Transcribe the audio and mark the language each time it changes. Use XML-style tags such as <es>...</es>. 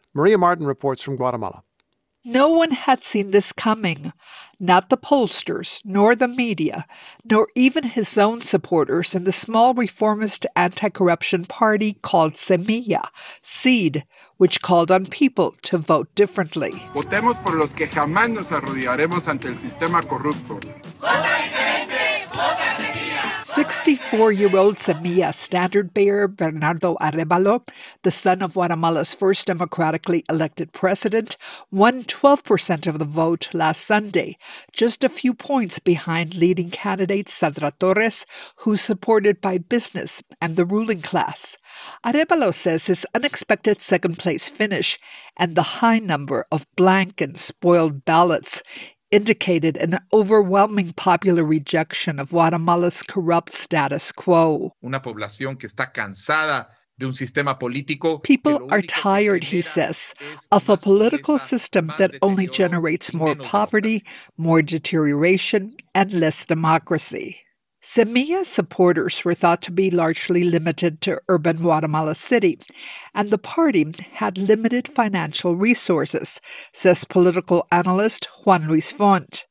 <en>Maria Martin reports from Guatemala. No one had seen this coming. Not the pollsters, nor the media, nor even his own supporters in the small reformist anti-corruption party called Semilla, Seed, which called on people to vote differently.</en> <es>Votemos por los que jamás nos arrodillaremos ante el sistema corrupto.</es> <en>64-year-old Semilla standard bearer Bernardo Arevalo, the son of Guatemala's first democratically elected president, won 12% of the vote last Sunday, just a few points behind leading candidate Sandra Torres, who's supported by business and the ruling class. Arevalo says his unexpected second-place finish and the high number of blank and spoiled ballots indicated an overwhelming popular rejection of Guatemala's corrupt status quo.</en> <es>Una población que está cansada de un sistema político.</es> <en>People are tired, he says, of a political system that only generates more poverty, more deterioration, and less democracy. Semilla's supporters were thought to be largely limited to urban Guatemala City, and the party had limited financial resources, says political analyst Juan Luis Font.</en>